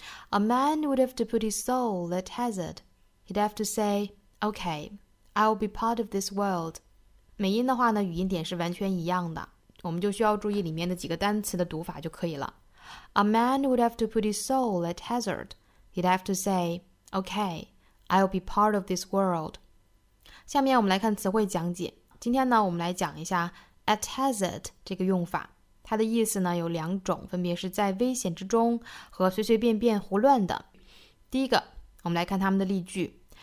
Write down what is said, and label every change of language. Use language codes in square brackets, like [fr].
[en] A man would have to put his soul at hazard. He'd have to say, okay, I'll be part of this world. [zh] 美音的话呢，语音点是完全一样的，我们就需要注意里面的几个单词的读法就可以了。 [en] A man would have to put his soul at hazard. He'd have to say, okay. I'll be part of this world. [zh] 下面我们来看词汇讲解。今天呢，我们来讲一下 at hazard 这个用法。它的意思呢有两种，分别是在危险之中和随随便便胡乱的。第一个，我们来看它们的例句。